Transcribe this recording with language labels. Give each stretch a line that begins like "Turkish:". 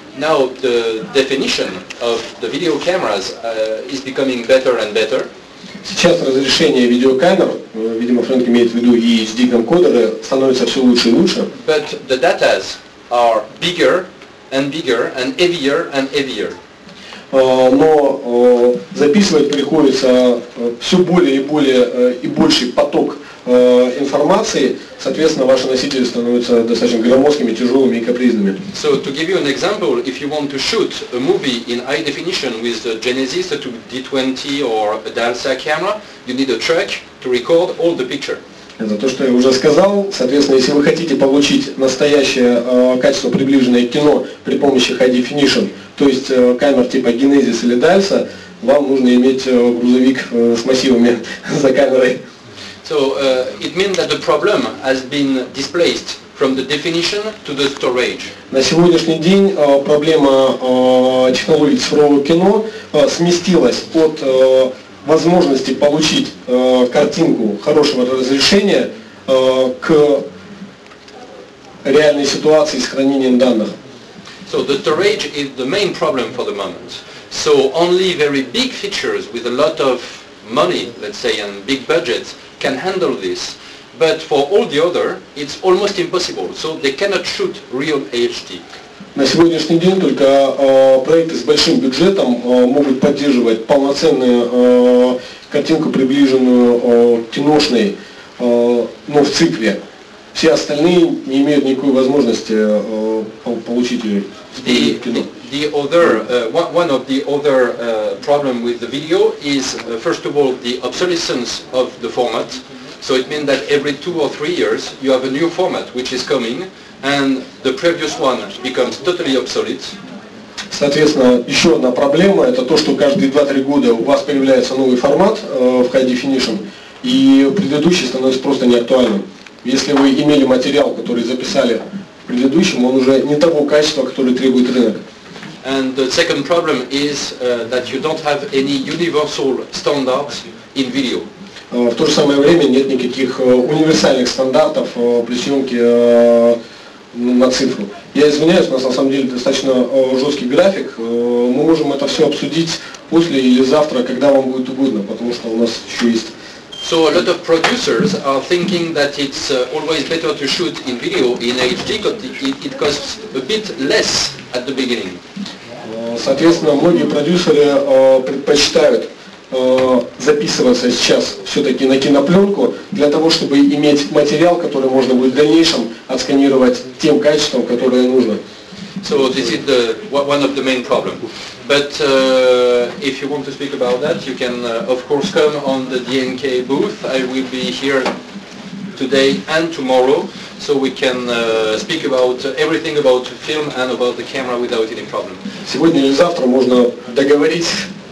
English: Now the definition of the video cameras is becoming better and better.
Russian: Сейчас разрешение видеокамер, видимо, Фрэнк имеет в виду и HD-камкодеры, становится все лучше и лучше.
English: But the datas are bigger and bigger and heavier and heavier.
Russian: Но записывать приходится все более и более и больший поток информации, соответственно, ваши носители становятся достаточно громоздкими, тяжелыми и капризными.
English: So to give you an example, if you want to shoot a movie in high definition with a Genesis, a D20 or a DALSA camera, you need a track to record all the picture.
Russian: Это то, что я уже сказал. Соответственно, если вы хотите получить настоящее качество, приближенное к кино при помощи High Definition, то есть камер типа Genesis или DALSA, вам нужно иметь грузовик с массивами за камерой.
English: So it means that the problem has been displaced from the definition to the storage.
Russian: На сегодняшний день проблема технологии цифрового кино сместилась от возможности получить картинку хорошего разрешения к реальной ситуации с хранением данных.
English: So the storage is the main problem for the moment. So only very big features with a lot of money, let's say, and big budgets can handle this. But for all the other, it's almost impossible. So they cannot shoot real HD.
Russian: На сегодняшний день только проекты с большим бюджетом могут поддерживать полноценную картинку, приближенную киношной, но в цифре. Все остальные не имеют никакой возможности получить ее в кино.
English: The other one of the other problem with the video is first of all the obsolescence of the format. So it means that every 2 or 3 years you have a new format which is coming, and the previous one becomes totally obsolete.
Russian: Соответственно, еще одна проблема — это то, что каждые 2-3 года у вас появляется новый формат в High Definition, и предыдущий становится просто неактуальным. Если вы имели материал, который записали в предыдущем, он уже не того качества, которое требует рынок. And the second problem is that you don't have any universal standards in video. В то же самое время нет никаких универсальных стандартов при съемке на цифру. Я извиняюсь, у нас на самом деле достаточно жесткий график. Мы можем это все обсудить после или завтра, когда вам будет угодно, потому что у нас еще есть.
English: So a lot of producers are thinking that it's always better to shoot in video in HD because it costs a bit less at the beginning.
Russian: Соответственно, многие продюсеры предпочитают записываться сейчас все-таки на кинопленку для того, чтобы иметь материал, который можно будет в дальнейшем отсканировать тем качеством, которое нужно.
English: So this is the one of the main problems. But if you want to speak about that, you can of course come on the DNK booth. I will be here today and tomorrow, so we can speak about everything about film and about the camera without any problem.
Russian: Сегодня или завтра можно договориться.